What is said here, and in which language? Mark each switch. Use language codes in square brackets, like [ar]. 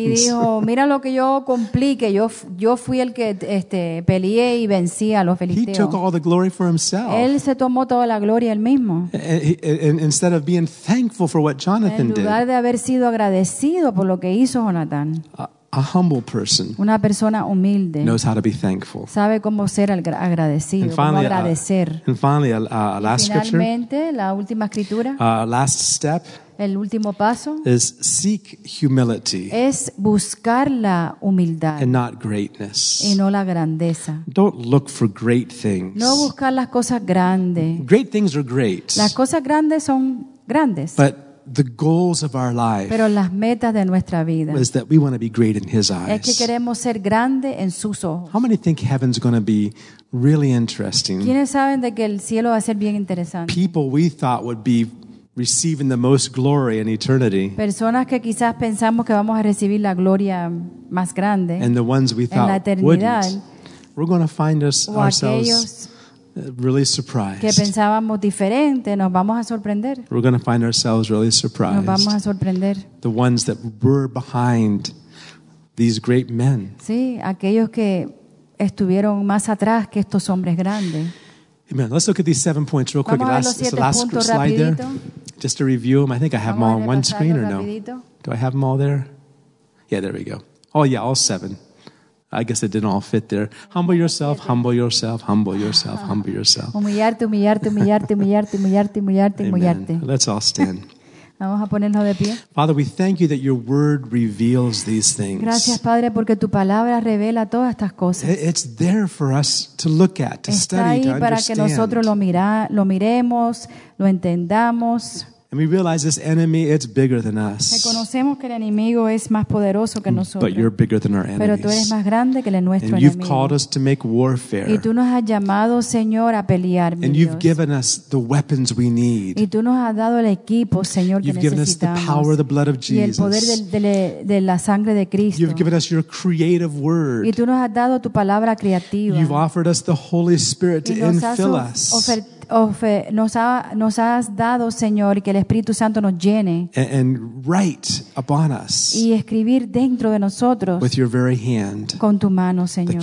[es] Y dijo, "Mira lo que yo cumplí, que yo fui el que peleé y vencí a los filisteos." [en] He took all the glory for himself. [es] Él se tomó toda la gloria él mismo. [en] Instead of being thankful for what Jonathan did. [es] En lugar de haber sido agradecido por lo que hizo Jonathan. [en] A humble person, [es] una persona humilde, [en] knows how to be thankful. [es] Sabe cómo ser agradecido, cómo agradecer. [en] And finally, a last scripture. [es] La última escritura. [en] Last step. [es] El último paso [en] is seek humility. [es] Es buscar la humildad. [en] And not greatness. [es] Y no la grandeza. [en] Don't look for great things. [es] No buscar las cosas grandes. [en] Great things are great. [es] Las cosas grandes son grandes. [en] But the goals of our life. [es] Pero las metas de nuestra vida. [en] Is that we want to be great in His eyes. [es] Es que queremos ser grande en sus ojos. [en] How many think heaven's going to be really interesting? [es] ¿Quiénes saben de que el cielo va a ser bien interesante? [en] People we thought would be receiving the most glory in eternity. [es] Personas que quizás pensamos que vamos a recibir la gloria más grande. [en] And the ones we thought wouldn't. We're going to find ourselves. Really surprised. [es] Que pensábamos diferente, nos vamos a sorprender. [en] We're going to find ourselves really surprised. [es] Nos vamos a sorprender. [en] The ones that were behind these great men. [es] Sí, aquellos que estuvieron más atrás que estos hombres grandes. [en] Amen. Let's look at these 7 points real quick. Last slide [es] rapidito. [en] There. Just to review them. I think I have [es] vamos [en] them all on one screen [es] rapidito. [en] Or no? Do I have them all there? Yeah, there we go. Oh yeah, all seven. I guess it didn't all fit there. Humble yourself, humble yourself, humble yourself, humble yourself. [es] Humillarte, humillarte, humillarte, humillarte, humillarte, humillarte, humillarte. [en] Let's all stand. [es] Vamos a ponernos de pie. [en] Father, we thank you that your word reveals these things. [es] Gracias, Padre, porque tu palabra revela todas estas cosas. [en] It's there for us to look at, to [es] está [en] study, to understand. [es] Está ahí para que nosotros lo miremos, lo entendamos. [en] And we realize this enemy, it's bigger than us. [es] Reconocemos que el enemigo es más poderoso que nosotros. [en] But you're bigger than our enemies. [es] Pero tú eres más grande que el nuestro enemigo. [en] And you've called us to make warfare. [es] Y tú nos has llamado, Señor, a pelear, mi Dios. [en] And you've given us the weapons we need. [es] Y tú nos has dado el equipo, Señor, que necesitamos. [en] You've given us the power of the blood of Jesus. [es] Y el poder de la sangre de Cristo. [en] You've given us your creative word. [es] Y tú nos has dado tu palabra creativa. [en] You've offered us the Holy Spirit to infill us. [es] Nos has dado, Señor, que el Espíritu Santo nos llene [en] and write upon us [es] y escribir dentro de nosotros [en] with your very hand [es] con tu mano, Señor,